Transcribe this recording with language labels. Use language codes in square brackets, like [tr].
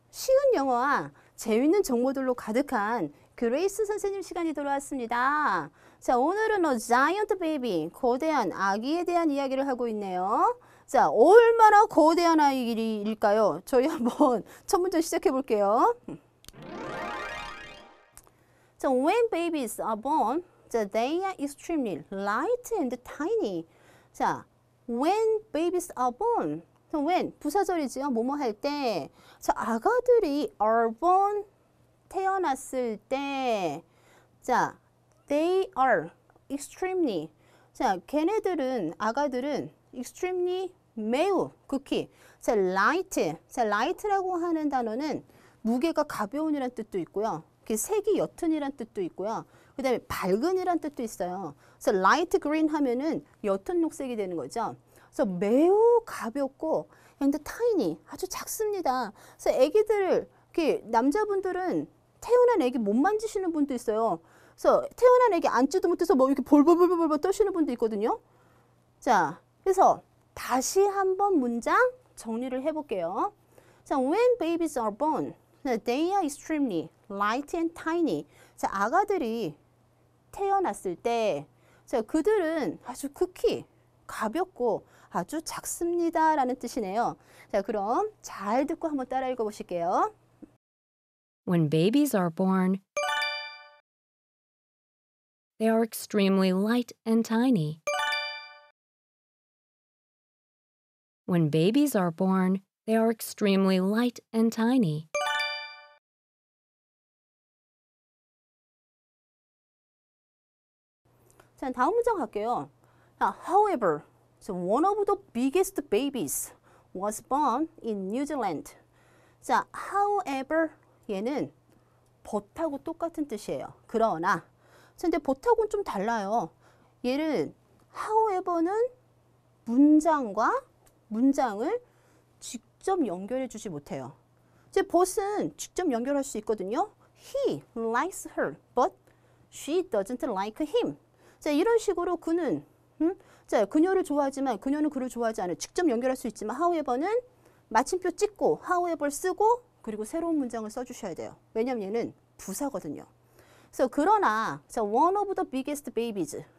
[ko] 쉬운 영어와 재미있는 정보들로 가득한 그레이스 선생님 시간이 돌아왔습니다. 자, 오늘은 giant baby, 거대한 아기에 대한 이야기를 하고 있네요. 자, 얼마나 거대한 아이일까요? 저희 한번 첫 문제 시작해 볼게요. [en] 자, when babies are born, they are extremely light and tiny. [ko] 자, [en] when babies are born. [ko] When, 부사절이지요. 뭐뭐 할 때. 자, 아가들이 [en] are born, [ko] 태어났을 때. 자, [en] they are extremely. [ko] 자, 걔네들은, 아가들은 extremely, 매우, 극히. 자, light. 자, light라고 하는 단어는 무게가 가벼운이란 뜻도 있고요. 색이 옅은이란 뜻도 있고요. 그 다음에 밝은이란 뜻도 있어요. 자, light green 하면은 옅은 녹색이 되는 거죠. 그래서 매우 가볍고 [en] and tiny, [ko] 아주 작습니다. 그래서 아기들을, 남자분들은 태어난 아기 못 만지시는 분도 있어요. 그래서 태어난 아기 앉지도 못해서 뭐 이렇게 볼볼볼볼볼 떠시는 분도 있거든요. 자, 그래서 다시 한번 문장 정리를 해볼게요. [en] 자, when babies are born, they are extremely light and tiny. [ko] 자, 아가들이 태어났을 때, 자, 그들은 아주 극히 가볍고 아주 작습니다 라는 뜻이네요. 자, 그럼 잘 듣고 한번 따라 읽어 보실게요. [en] When babies are born, they are extremely light and tiny. When babies are born, they are extremely light and tiny. So, [ko] 다음 문장 갈게요. [en] However, so one of the biggest babies was born in New Zealand. [ko] 자, however 얘는 but하고 똑같은 뜻이에요. 그러나. 근데 but하고는 좀 달라요. 얘는 however는 문장과 문장을 직접 연결해 주지 못해요. 이제 but은 직접 연결할 수 있거든요. [en] He likes her, but she doesn't like him. [ko] 자, 이런 식으로 그는 자, 그녀를 좋아하지만 그녀는 그를 좋아하지 않아. 직접 연결할 수 있지만 however는 마침표 찍고 however 쓰고 그리고 새로운 문장을 써 주셔야 돼요. 왜냐면 얘는 부사거든요. 그래서 그러나 자, [en] one of the biggest babies.